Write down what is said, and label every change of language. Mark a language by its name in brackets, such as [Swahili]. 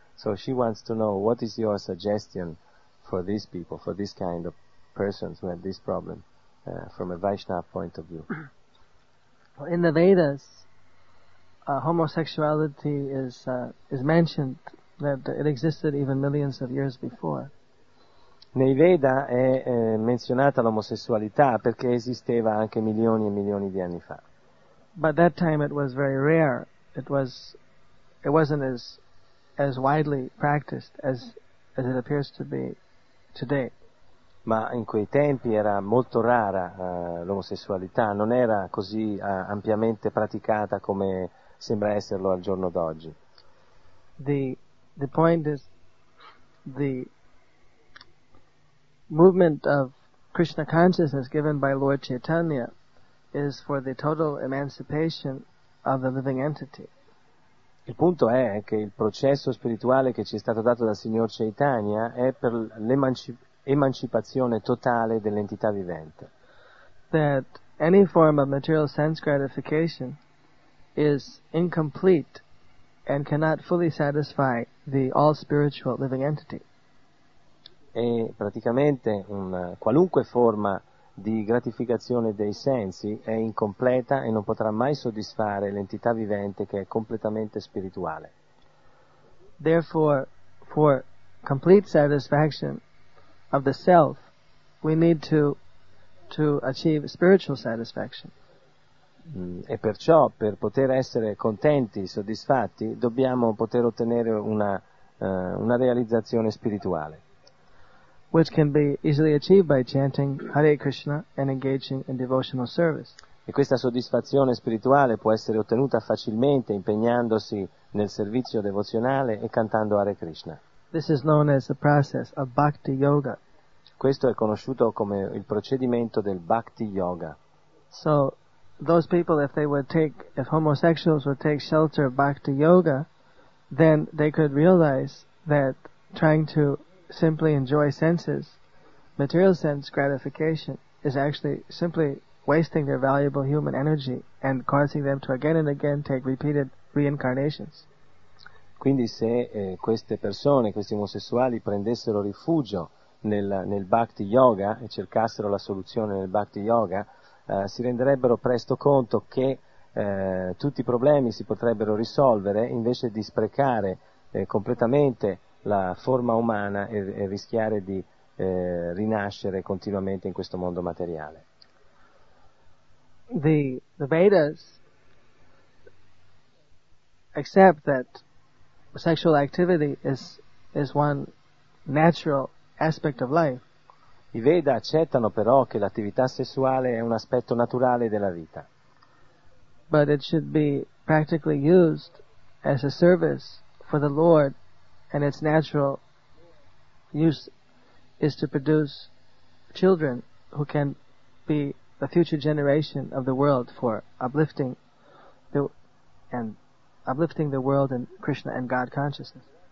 [English] So she wants to know, what is your suggestion for these people, for this kind of persons who have this problem, from a Vaishnava point of view? Well, in the Vedas, homosexuality is mentioned, that it existed even millions of years before. [Italian] Nei Veda è menzionata l'omosessualità perché esisteva anche milioni e milioni di anni fa. [English] But that time it was very rare. It wasn't as widely practiced as it appears to be today. [Italian] Ma in quei tempi era molto rara l'omosessualità, non era così ampiamente praticata come sembra esserlo al giorno d'oggi. [English] The point is, the movement of Krishna consciousness given by Lord Chaitanya is for the total emancipation of the living entity. [Italian] Il punto è che il processo spirituale che ci è stato dato dal signor Chaitanya è per l'emancipazione totale dell'entità vivente. [English] That any form of material sense gratification is incomplete and cannot fully satisfy the all spiritual living entity. [Italian] E praticamente qualunque forma di gratificazione dei sensi è incompleta e non potrà mai soddisfare l'entità vivente che è completamente spirituale. [English] Therefore, for complete satisfaction of the self, we need to achieve spiritual satisfaction. [Italian] E perciò, per poter essere contenti, soddisfatti, dobbiamo poter ottenere una realizzazione spirituale. [English] Which can be easily achieved by chanting Hare Krishna and engaging in devotional service. [Italian] E questa soddisfazione spirituale può essere ottenuta facilmente impegnandosi nel servizio devozionale e cantando Hare Krishna. [English] This is known as the process of Bhakti Yoga. [Italian] Questo è conosciuto come il procedimento del Bhakti Yoga. [English] So, those people, if homosexuals would take shelter of Bhakti Yoga, then they could realize that trying to simply enjoy senses, material sense gratification, is actually simply wasting their valuable human energy and causing them to again and again take repeated reincarnations. [Italian] Quindi se queste persone, questi omosessuali, prendessero rifugio nel Bhakti Yoga e cercassero la soluzione nel Bhakti Yoga, si renderebbero presto conto che tutti i problemi si potrebbero risolvere invece di sprecare completamente la forma umana e rischiare di rinascere continuamente in questo mondo materiale. [English] The Vedas accept that sexual activity is one natural aspect of life. [Italian] I Veda accettano però che l'attività sessuale è un aspetto naturale della vita. [English] But it should be practically used as a service for the Lord. And its natural use is to produce children who can be the future generation of the world for uplifting the world in Krishna and God consciousness.